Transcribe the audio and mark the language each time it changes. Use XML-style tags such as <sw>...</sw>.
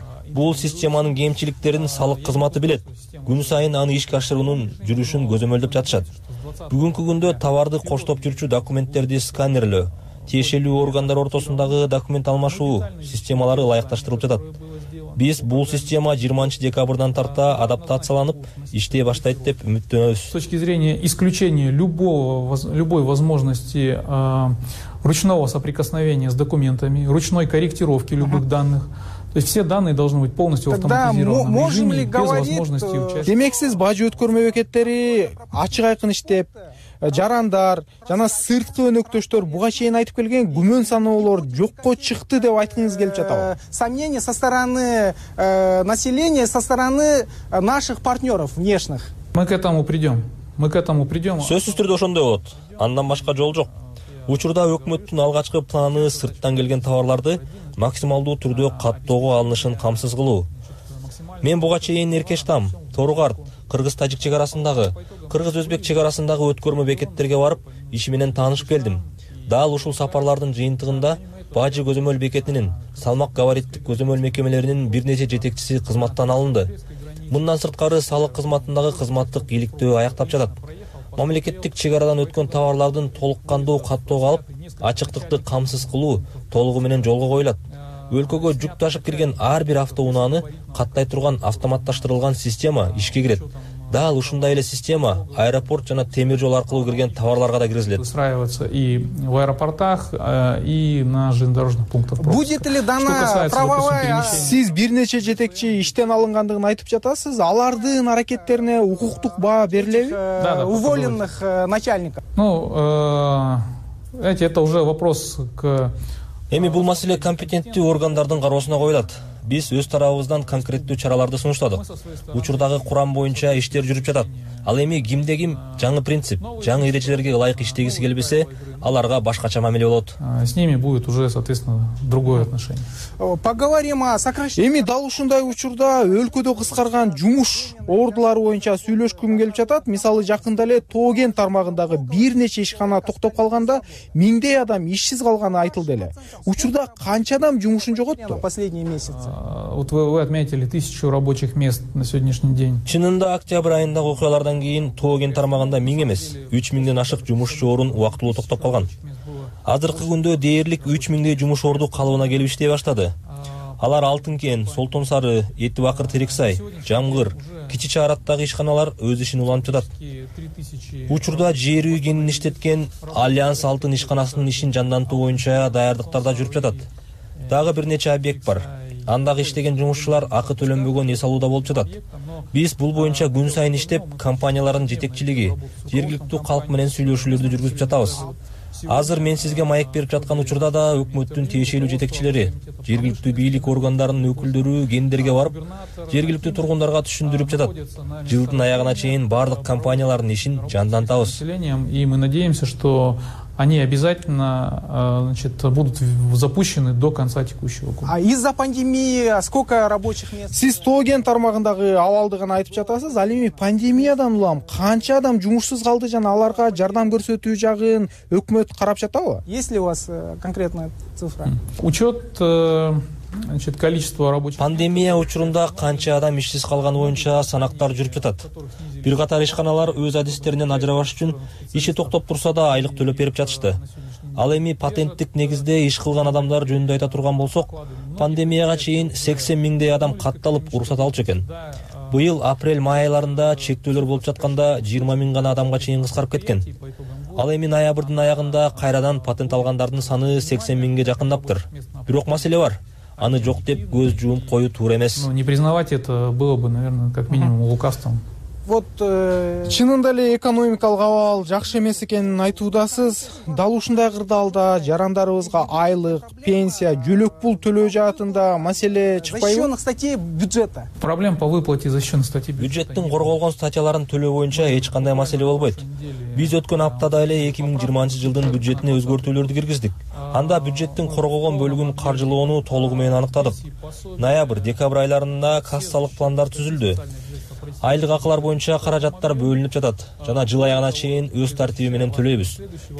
<ky>Бул системанын кемчиликтерин салык кызматы билет. Күн сайын аны ишке ашыруунун жүрүшүн көзөмөлдөп жатышат. Бүгүнкү күндө товарды коштоп жүрчү документтерди сканерлөө, тиешелүү органдар ортосундагы документ алмашуу системалары ылайыкташтырылып жатат. Биз бул система 20 декабрдан тарта адаптацияланып иштей баштайт деп үмүттөнөбүз.</ky> <ru>С точки зрения исключения любой возможности ручного соприкосновения с документами, ручной корректировки любых данных. То есть все данные должны быть полностью автоматизированы. Да, мы можем ли говорить,</ru> <ky>демек сиз бажы өткөр мөөкеттери ачык айкын иштеп, жарандар жана сырткы өнөктөштөр буга чейин айтып келген күмөн саноолор жокко чыкты деп айткыңыз келип жатабы?</ky> <ru>Сомнение со стороны населения, со стороны наших партнеров внешних. Мы к этому придем.</ru> <ky>Сөзсүз түрдө ошондой болот. Андан башка жол жок. Учурда өкмөттүн алгачкы планы сырттан келген товарларды максималдуу түрдө каттоого алынышын камсыз кылуу. Мен буга чейин Эркештам, Торугарт, Кыргыз-Тажик чек арасындагы, Кыргыз-Өзбек чек арасындагы өткөрмө бекеттерге барып, иши менен таанышып келдим. Дал ушул сапарлардын жыйынтыгында бажы көзөмөл бекетинин, салмак габариттик көзөмөл мекемелеринин бир нече жетекчиси кызматтан алынды. Мындан сырткары салык кызматындагы кызматтык иликтөө аяктап жатат. Мамлекеттик чек арадан өткөн товарлардын толуккандуу каттоого алып, ачыктыкты камсыз кылуу толугу менен жолго коюлат. Өлкөгө жүк ташып кирген ар бир автоунааны каттай турган автоматташтырылган система ишке кирет. Дал ушундай эле система аэропорт жана темир жол аркылуу кирген товарларга да киргизилет.</ky> <ru>Устраиваться и в аэропортах, и на железнодорожных пунктах пропуска. Будет ли дана правовая?</ru> <ky>Сиз бир нече жетекчи иштен алынгандыгын айтып жатасыз, алардын аракеттерине укуктук баа берилеби?</ky> <ru>Да, да. Уволенных начальников. Ну, это уже вопрос к...</ru> <ky>Эми бул маселе компетенттүү органдардын кароосуна коюлат. Биз өз тарабыбыздан конкреттүү чараларды сунуштадык. Учурдагы курам боюнча иштер жүрүп жатат. Ал эми кимде ким жаңы принцип, жаңы эрежелерге ылайык иштегиси келбесе, аларга башкача мамиле болот.</ky> <ru>С ними будет уже, соответственно, другое отношение. Поговорим о сокращении.</ru> <ky>Эми дал ушундай учурда өлкөдө кыскарган жумуш ордулары боюнча сүйлөшкүм келип жатат. Мисалы, жакында эле Тоген тармагындагы бир нече ишкана токтоп калганда миңдей адам ишсиз калганы айтылды эле. Учурда канча адам жумушун жоготту?</ky> <ru>Последний месяц. Вот вы отметили 1000 рабочих мест на сегодняшний день.</ru> <ky>Чынында октябрь айындагы окуялардан кийин Тоген тармагында миң эмес, 3000ден ашык жумушчу орун убактылуу токтоп калган. Азыркы күндө дээрлик 3000дей жумуш орду калыбына келип иштей баштады. Алар Алтынкен, Солтон Сары, Эти Бакыр Териксай, Жамгыр, кичи чаараттагы ишканалар өз ишин улантып жатат. Учурда жер үй кенин иштеткен Альянс Алтын ишканасынын ишин жандантуу боюнча даярдыктарда жүрүп жатат. Дагы бир нече объект бар. Андагы иштеген жумушчулар акы төлөнбөгөн эс алууда болуп жатат. Биз бул боюнча күн сайын иштеп, компаниялардын жетекчилиги, жергиликтүү калк менен сүйлөшүүлөрдү жүргүзүп жатабыз. Азыр мен сизге маек берип жаткан учурда да өкмөттүн тиешелүү жетекчилери, жергиликтүү бийлик органдарынын өкүлдөрү кендерге барып, жергиликтүү тургундарга түшүндүрүп жатат. Жылдын аягына чейин бардык компаниялардын ишин жандантабыз.</ky> <ru>И мы надеемся, что они обязательно, значит, будут запущены до конца текущего года. А из-за пандемии сколько рабочих мест?</ru> <ky>Сиз Тоген тармагындагы абалды гана айтып жатасыз, ал эми пандемиядан улам канча адам жумушсуз калды жана аларга жардам көрсөтүү жагын өкмөт карап жатабы?</ky> <ru>Есть ли у вас конкретная цифра? Учет, значит, количество рабочих.</ru> <ky>Пандемия учурунда канча адам ишсиз калганы боюнча санактар жүрүп жатат. Бир катар ишканалар өз адистеринен ажырабаш үчүн иши токтоп турса да айлык төлөп берип жатышты. Ал эми патенттик негизде иш кылган адамдар жөнүндө айта турган болсок, пандемияга чейин 80000дей адам катталып уруксат алчу экен. Быйыл апрель май айларында чектөөлөр болуп жатканда 20000 гана адамга чейин кыскарып кеткен. Ал эми ноябрдын аягында кайрадан патент алгандардын саны 80000ге жакындаптыр. Бирок маселе бар. Аны жок деп көз жумуп коюу туура эмес.</ky> <ru>Не признавать это было бы, наверное, как минимум лукавством. Вот</ru> <ky>чынында эле экономикалык абал жакшы эмес экенин айтуудасыз. Дал ушундай кырдаалда жарандарыбызга айлык, пенсия, жөлөк пул төлөө жаатында маселе чыкпайбы?</ky> <ru>Защищённых статей бюджета. Проблем по выплате защищённых статей бюджета.</ru> <ky>Бюджеттин корголгон статьяларын төлөө боюнча эч кандай маселе болбойт. Биз өткөн аптада эле 2020 жылдын бюджетине өзгөртүүлөрдү киргиздик. Анда бюджеттин корголгон бөлүгүн каржылоону толугу менен аныктадык. Ноябрь, декабрь айларында кассалык пландар түзүлдү. Айлык акылар боюнча каражаттар бөлүнүп жатат жана жыл аягына чейин өз тартиби менен төлөйбүз.</ky>